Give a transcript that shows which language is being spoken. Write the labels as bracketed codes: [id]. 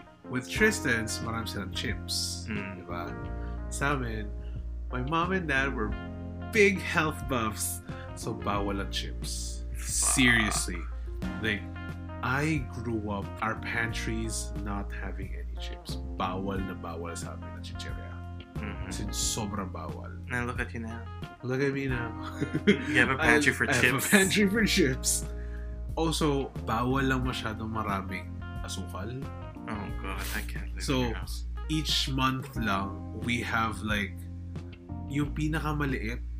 [en] with Tristan's, [tl] marami silang chips. Mm. Diba? [en] Sa amin, my mom and dad were big health buffs, [tl] so bawal ang chips. [en] Seriously. Like, I grew up, our pantries not having any chips. [tl] Bawal na bawal sa amin ang chicheria. Mm-hmm. Since sobrang bawal. [en] Now look at you now. Look at me now. You have a pantry for chips. I have a pantry for chips. [tl] Also, bawal lang masyadong maraming asukal. [en] Oh God, I can't live so, each month lang, we have like, [tl] yung pinakamaliit